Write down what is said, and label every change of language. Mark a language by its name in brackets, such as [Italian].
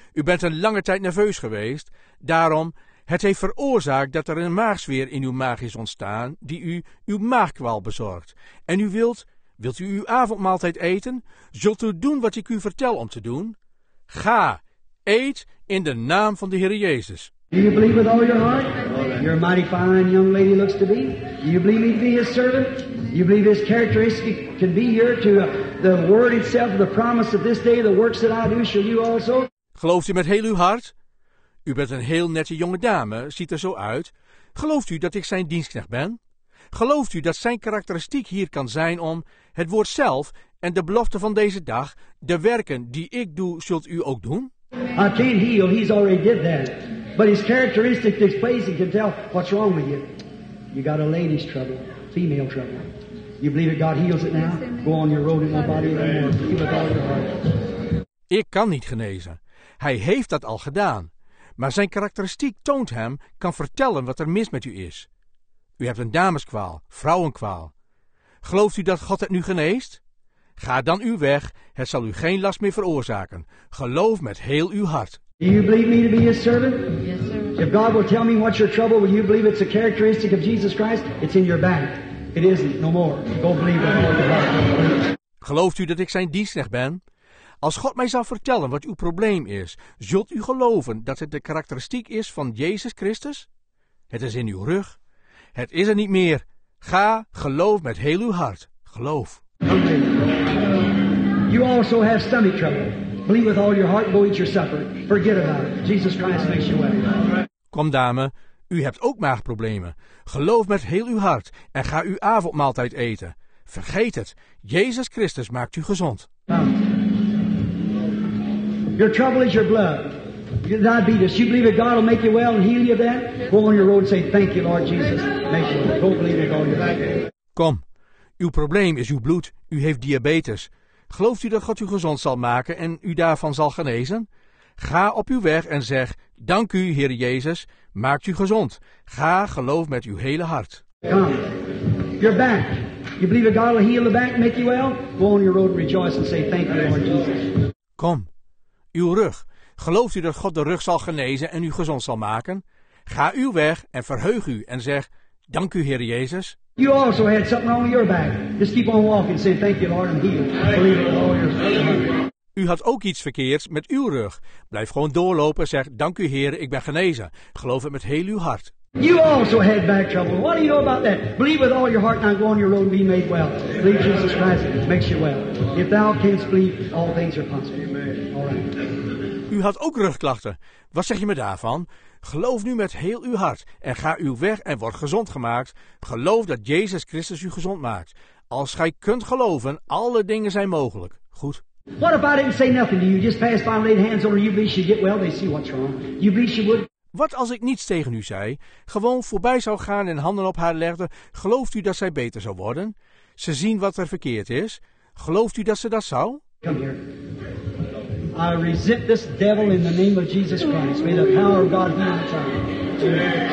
[Dutch] U bent een lange tijd nerveus geweest. Daarom, het heeft veroorzaakt dat er een maagsfeer in uw maag is ontstaan die u uw maagkwaal bezorgt. En u wilt u uw avondmaaltijd eten? Zult u doen wat ik u vertel om te doen? Ga, eet in de naam van de Heer Jezus. [English] Do you believe with all your heart? You're a mighty fine young lady looks to be. Do you believe me to be his servant? Do you believe his characteristic can be here to the word itself, the promise of this day, the works that I do, shall you also? [Dutch] Gelooft u met heel uw hart? U bent een heel nette jonge dame, ziet er zo uit. Gelooft u dat ik zijn dienstknecht ben? Gelooft u dat zijn karakteristiek hier kan zijn om het woord zelf en de belofte van deze dag, de werken die ik doe, zult u ook doen? [English] I can't heal, he's already did that. But his characteristic displays he can tell what's wrong with you. You got a lady's trouble, female trouble. You believe that God heals it now? Go on your road in my body anymore. Heal with all your heart. [Dutch] Ik kan niet genezen. Hij heeft dat al gedaan. Maar zijn karakteristiek toont hem, kan vertellen wat er mis met u is. U hebt een dameskwaal, vrouwenkwaal. Gelooft u dat God het nu geneest? Ga dan uw weg, het zal u geen last meer veroorzaken. Geloof met heel uw hart. [English] Do you believe me to be his servant? Yes, sir. If God will tell me what's your trouble, will you believe it's a characteristic of Jesus Christ? It's in your back. It isn't, no more. Go believe it. [Dutch] Gelooft u dat ik zijn dienstknecht ben? Als God mij zou vertellen wat uw probleem is, zult u geloven dat het de karakteristiek is van Jezus Christus? Het is in uw rug. Het is er niet meer. Ga, geloof met heel uw hart. Geloof. [English] You also have stomach trouble. Believe with all your heart, go eat your supper. Forget about it. Jesus Christ makes you well. [Dutch] Kom dame, u hebt ook maagproblemen. Geloof met heel uw hart en ga uw avondmaaltijd eten. Vergeet het. Jezus Christus maakt u gezond. [English] Your trouble is your blood. Your diabetes. You believe that God will make you well and heal you then? Go on your road and say, thank you, Lord Jesus. Make you well. Go believe it all your life. [Dutch] Kom. Uw probleem is uw bloed. U heeft diabetes. Gelooft u dat God u gezond zal maken en u daarvan zal genezen? Ga op uw weg en zeg, dank u, Heer Jezus, maakt u gezond. Ga, geloof met uw hele hart. [English] Come. Your back. You believe that God will heal the back and make you well? Go on your road and rejoice and say, thank you, Lord Jesus. [Dutch] Kom. Uw rug. Gelooft u dat God de rug zal genezen en u gezond zal maken? Ga uw weg en verheug u en zeg, dank u, Heer Jezus. [English] You also had something on your back. Just keep on walking, say thank you, Lord, and heal. [Dutch] U had ook iets verkeerds met uw rug. Blijf gewoon doorlopen, zeg, dank u, Heer, ik ben genezen. Geloof het met heel uw hart. [English] You also had back trouble. What do you know about that? Believe with all your heart, now go on your road and be made well. Believe Jesus Christ makes you well. If thou canst believe, all things are possible. Amen. All right. [Dutch] U had ook rugklachten. Wat zeg je me daarvan? Geloof nu met heel uw hart en ga uw weg en word gezond gemaakt. Geloof dat Jezus Christus u gezond maakt. Als gij kunt geloven, alle dingen zijn mogelijk. Goed. [English] What if I didn't say nothing to you? Just pass by and laid hands on her. You believe she'd get well? They see what's wrong. You believe she would? [Dutch] Wat als ik niets tegen u zei? Gewoon voorbij zou gaan en handen op haar legde. Gelooft u dat zij beter zou worden? Ze zien wat er verkeerd is. Gelooft u dat ze dat zou? [English] Come here. I resent this devil in the name of Jesus Christ. May the power of God be on the child.